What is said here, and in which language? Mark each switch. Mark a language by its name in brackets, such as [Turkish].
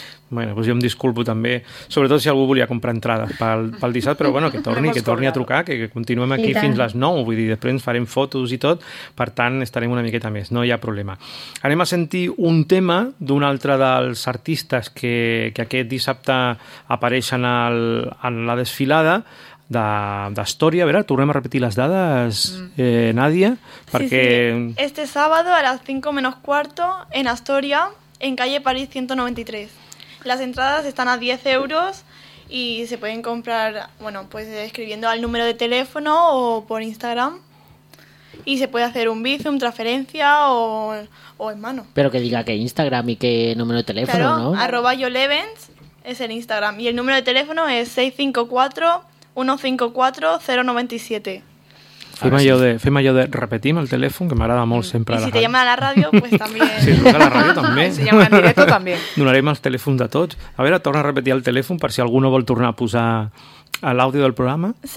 [Catalan] Bueno, doncs jo em disculpo també, sobretot si algú volia comprar entrades pel dissabte, però bueno, que torni a trucar, que continuem aquí fins les 9, vull dir, després ens farem fotos i tot, per tant, estarem una miqueta més, no hi ha problema. Anem a sentir un tema d'un altre dels artistes que aquest dissabte apareixen en la desfilada d'Astoria. A veure, tornem a repetir les dades, Nadia, perquè... Sí. [Spanish] Este sábado a las 5:45 en Astoria, en calle París 193. Las entradas están a 10 euros y se pueden comprar, bueno, pues escribiendo al número de teléfono o por Instagram. Y se puede hacer un Bizum, transferencia o en mano. Pero que diga que Instagram y qué número de teléfono, claro, ¿no? Arroba YoLevens es el Instagram. Y el número de teléfono es 654-154-097. [Catalan] Fema jo de repetim el telèfon, que m'agrada molt sempre. [Spanish] I si te llama a la ràdio, pues [Catalan] també. Si truca a la ràdio, també. [Spanish] Si llama en directo, també. [Catalan] Donarem els telèfons de tots. A veure, torna a repetir el telèfon per si algú no vol tornar a posar l'àudio del programa.